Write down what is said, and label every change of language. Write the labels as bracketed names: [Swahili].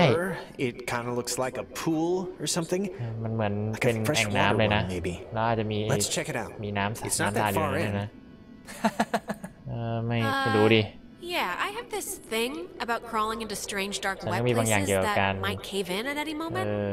[English] kind of looks like a pool or something [Thai] มันเหมือนเป็นแอ่งน้ำเลยนะแล้วอาจจะมีน้ำใสน้ำตาลอยู่ในนั้นนะไม่รู้ดิ [English] Yeah I have this thing about crawling into strange dark web places that might cave in at any moment